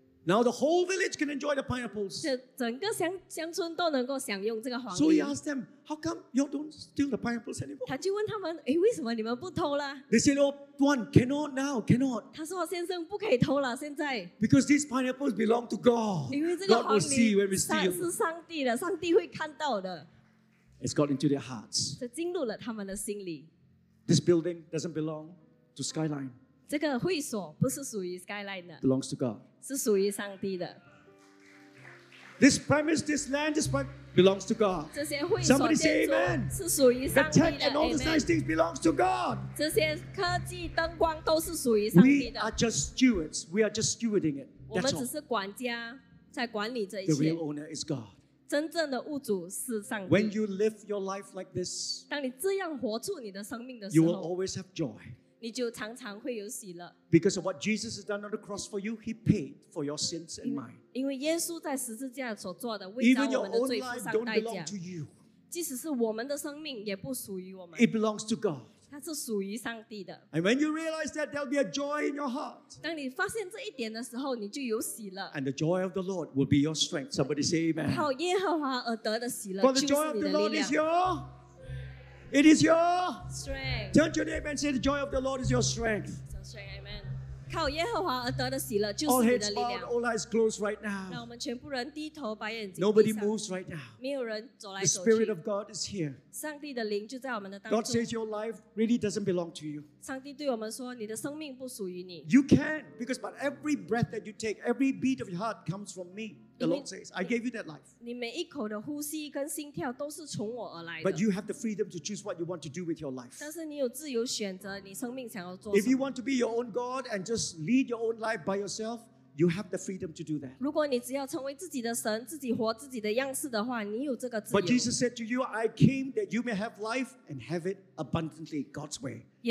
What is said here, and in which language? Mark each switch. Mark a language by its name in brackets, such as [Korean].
[English] Now the whole village can enjoy the pineapples. [Chinese] 整个乡村都能够享用这个黄梨。 [English] So he asked them, how come y'all don't steal the pineapples anymore? [Chinese] 他就问他们, 诶, 为什么你们不偷了? [English] They said, oh, one, cannot now, cannot. [Chinese] 他说, 先生, 不可以偷了, 现在。 [English] Because these pineapples belong to God. God will see when we steal. [Chinese] 是上帝的, 上帝会看到的。 [English] It's got into their hearts. [Chinese] 这进入了他们的心里。 [English] This building doesn't belong to Skyline. [Chinese] 这个会所不是属于 Skyline 的, [English] belongs to God. [Chinese] 是属于上帝的。 [English] This premise, this land, this part belongs to God. [Chinese] 这些会所建筑, [English] somebody say amen. [Chinese] 是属于上帝的, [English] the tech and all amen. These nice things belongs to God. [Chinese] 这些科技灯光都是属于上帝的。 [English] We are just stewards. We are just stewarding it. That's [Chinese] 我们只是管家, 在管理这一切。 [English] The real owner is God. [Chinese] 真正的物主是上帝。 [English] When you live your life like this, [Chinese] 当你这样活出你的生命的时候, [English] you will always have joy. [Chinese] 你就常常会有喜乐。 [English] Because of what Jesus has done on the cross for you, he paid for your sins and mine. [Chinese] 因为耶稣在十字架所做的, [English] even your own life don't belong to you. [Chinese] 即使是我们的生命也不属于我们。 [English] It belongs to God. [Chinese] 它是属于上帝的。 [English] And when you realize that, there'll be a joy in your heart. [Chinese] 当你发现这一点的时候, 你就有喜了。 [English] And the joy of the Lord will be your strength. Somebody say amen. [Chinese] 靠耶和华而得的喜乐, [English] for the joy of the Lord is your strength. It is your strength. Turn to your neighbor and say, the joy of the Lord is your strength. Amen. [Chinese] 靠耶和华而得的喜乐就是你的力量。 [English] All heads bowed, all eyes closed right now. [Chinese] 让我们全部人低头, 把眼睛闭上, [English] nobody moves right now. [Chinese] 没有人走来走去。 [English] The Spirit of God is here. [Chinese] 上帝的灵就在我们的当中。 [English] God says your life really doesn't belong to you. [Chinese] 上帝对我们说, 你的生命不属于你。 [English] You can, because but every breath that you take, every beat of your heart comes from me. The Lord says, I gave you that life. [Chinese] 你每一口的呼吸跟心跳都是从我而来的。 [English] But you have the freedom to choose what you want to do with your life. [Chinese] 但是你有自由选择你生命想要做什么。 [English] If you want to be your own God and just lead your own life by yourself, you have the freedom to do that. [Chinese] 如果你只要成为自己的神, 自己活自己的样式的话, 你有这个自由。 [English] But Jesus said to you, I came that you may have life and have it abundantly God's way.